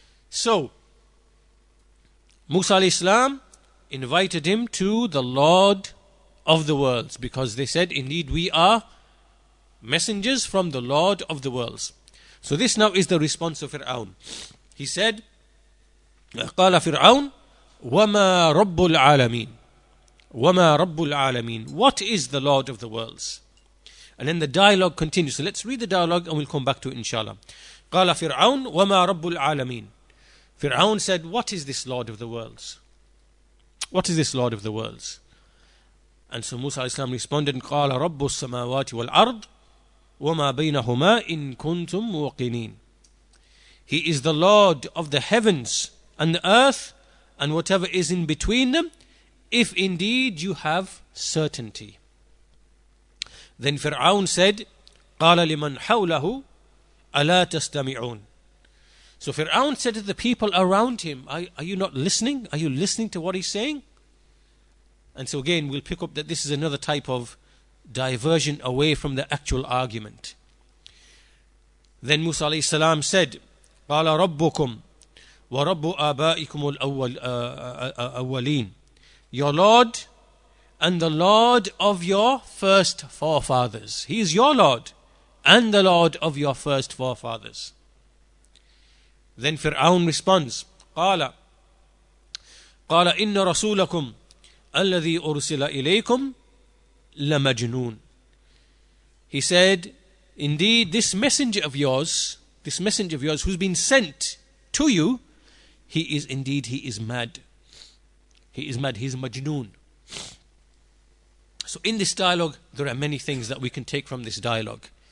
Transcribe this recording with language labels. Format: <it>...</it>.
<en>So Musa alayhi salam invited him to the Lord of the worlds, because they said, indeed we are messengers from the Lord of the worlds. So this now is the response of Fir'aun. He said,</en> <ar>قال فرعون وما رب العالمين وما رب العالمين.</ar> <en>What is the Lord of the worlds? And then the dialogue continues. So let's read the dialogue and we'll come back to it inshallah.</en> <ar>قال فرعون وما رب العالمين.</ar> <en>Fir'aun said, what is this Lord of the worlds? What is this Lord of the worlds? And so Musa alayhi salam responded,</en> <ar>قال رب السماوات والأرض وما بينهما إن كنتم موقنين.</ar> <en>He is the Lord of the heavens and the earth and whatever is in between them, if indeed you have certainty. Then Fir'aun said,</en> <ar>قال لمن حوله ألا تستمعون.</ar> <en>So Fir'aun said to the people around him, are you not listening? Are you listening to what he's saying? And so again, we'll pick up that this is another type of diversion away from the actual argument. Then Musa alayhi salam said,</en> <ar>قال ربكم ورب آبائكم الأولين.</ar> <en>Your Lord and the Lord of your first forefathers. He is your Lord and the Lord of your first forefathers. Then Fir'aun responds,</en> <ar>قال إن رسولكم الذي أرسل إليكم لمجنون.</ar> <en>He said, indeed this messenger of yours, this messenger of yours who's been sent to you, he is mad. He is mad, he's majnoon. So in this dialogue, there are many things that we can take from this dialogue.</en>